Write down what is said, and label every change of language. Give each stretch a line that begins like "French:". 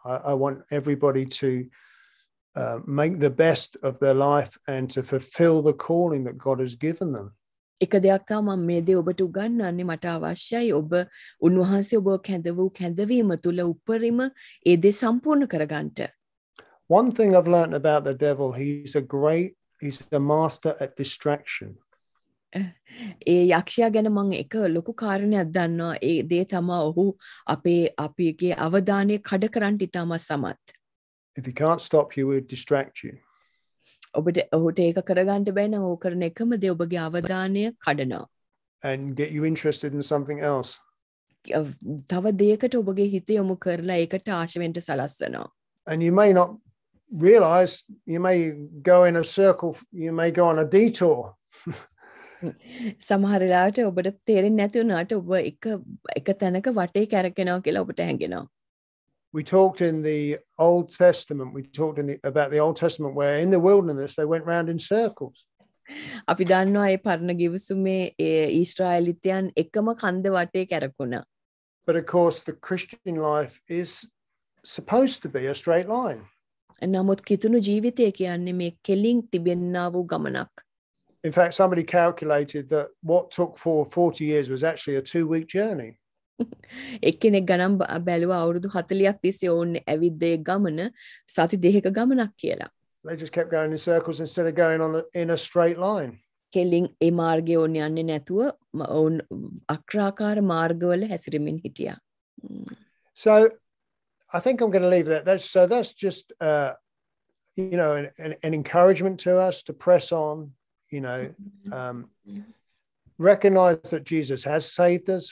English: I want everybody to make the best of their life and to fulfill the calling that God has given them.
Sinhala: එක දෙයක් තමයි මම මේ දේ ඔබට උගන්වන්නේ මට අවශ්‍යයි ඔබ උන්වහන්සේ ඔබ කැඳවූ කැඳවීම තුළ උපරිම ඒ දේ සම්පූර්ණ කරගන්න.
English: One thing I've learned about the devil, he's a master at distraction.
Sinhala: ඒ යක්ෂයා ගැන මම එක ලොකු කාරණයක් දන්නවා ඒ දේ තමයි ඔහු අපේගේ අවධානය කඩ කරන්න ඉතාම සමත්.
English: If he can't stop you, he'll distract you.
Sinhala: ඔබට ඒක කරගන්න බැ නම් ඕක කරන එකම දේ ඔබගේ අවධානය කඩනවා
English: and get you interested in something else
Sinhala: තව දෙයකට ඔබගේ හිත යොමු කරලා ඒකට ආශ වෙන්න සලස්සනවා
English: and you may not realize you may go in a circle you may go on a detour
Sinhala: සමහර වෙලාවට ඔබට තේරෙන්නේ නැති වුණාට ඔබ එක තැනක වටේ කැරකෙනවා කියලා ඔබට හැඟෙනවා
English: We talked in the Old Testament, about the Old Testament where in the wilderness they went round in circles.
Sinhala: අපි දන්නවා ඒ පරණ ගිවිසුමේ ඒ ඊශ්‍රායලිතයන් එකම කන්ද වටේ කැරකුණා.
English: But of course the Christian life is supposed to be a straight line.
Sinhala: නමුත් කිතුණු ජීවිතය කියන්නේ මේ කෙලින් තිබෙන්නා වූ ගමනක්.
English: In fact, somebody calculated that what took for 40 years was actually a 2-week journey.
Sinhala: එකිනෙක ගණන් බැලුවා අවුරුදු 40ක් තිස්සේ ඕන් ඇවිද්දේ ගමන සති දෙකක ගමනක් කියලා.
English: They just kept going in circles instead of going on in a straight line.
Sinhala: කෙලින් ඒ මාර්ගයේ ඕන යන්නේ නැතුව ඔවුන් අක්‍රාකාර මාර්ගවල හැසිරෙමින් හිටියා.
English: So I think I'm going to leave that. That's just you know an encouragement to us to press on, you know, recognize that Jesus has saved us.